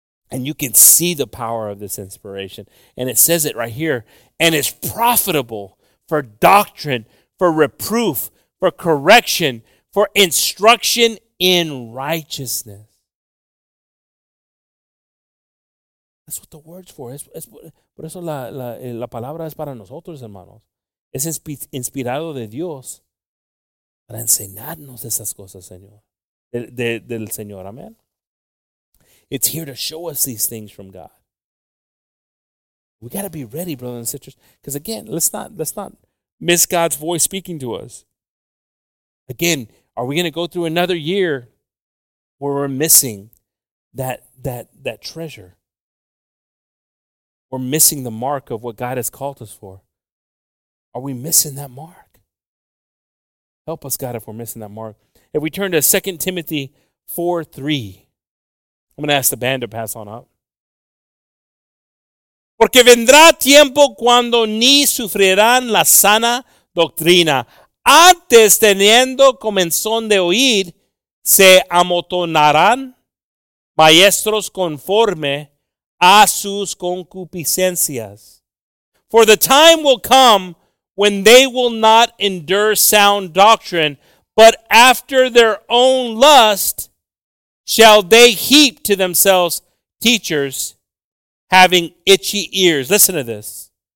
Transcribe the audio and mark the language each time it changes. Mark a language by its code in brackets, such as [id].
[en] And you can see the power of this inspiration. And it says it right here. And it's profitable for doctrine, for reproof, for correction, for instruction in righteousness. That's what the word's for. [es] Por eso la palabra es para nosotros, hermanos. Es inspirado de Dios para enseñarnos esas cosas, Señor. Del Señor, amén. [en] It's here to show us these things from God. We got to be ready, brothers and sisters. Because again, let's not miss God's voice speaking to us. Again, are we going to go through another year where we're missing that treasure? We're missing the mark of what God has called us for. Are we missing that mark? Help us, God, if we're missing that mark. If we turn to 2 Timothy 4:3. I'm going to ask the band to pass on up. [es] Porque vendrá tiempo cuando ni sufrirán la sana doctrina. Antes teniendo comenzón de oír, se amotonarán maestros conforme a sus concupiscencias. [en] For the time will come when they will not endure sound doctrine, but after their own lust, shall they heap to themselves teachers having itchy ears? Listen to this.